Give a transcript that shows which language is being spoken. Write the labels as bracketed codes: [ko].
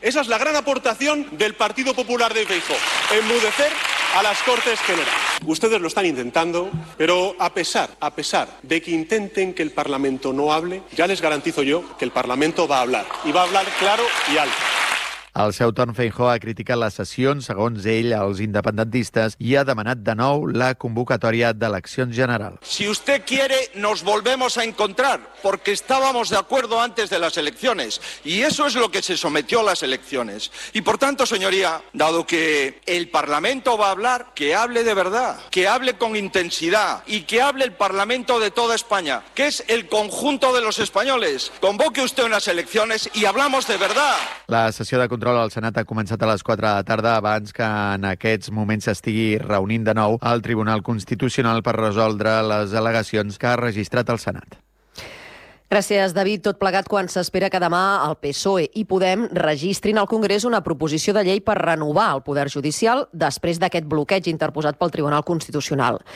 [es] Esa es la gran aportación del Partido Popular de Feijóo. Enmudecer a las Cortes Generales. Ustedes lo están intentando, pero a pesar de que intenten que el Parlamento no hable, ya les garantizo yo que el Parlamento va a hablar, y va a hablar claro y alto. [ca] Al seu torn, Feijóo ha criticat les sessions, segons ell, als independentistas, i ha demanat de nou la convocatòria d'eleccions general. [es] Si usted quiere, nos volvemos a encontrar, porque estábamos de acuerdo antes de las elecciones, y eso es lo que se sometió a las elecciones. Y por tanto, señoría, dado que el Parlamento va a hablar, que hable de verdad, que hable con intensidad, y que hable el Parlamento de toda España, que es el conjunto de los españoles. Convoque usted unas elecciones y hablamos de verdad. [ca] La sessió de control al Senat ha començat a les 4 de la tarda abans que en aquests moments s'estigui reunint de nou el Tribunal Constitucional per resoldre les al·legacions que ha registrat el Senat. Gràcies, David. Tot plegat quan s'espera que demà el PSOE i Podem registrin al Congrés una proposició de llei per renovar el poder judicial després d'aquest bloqueig interposat pel Tribunal Constitucional.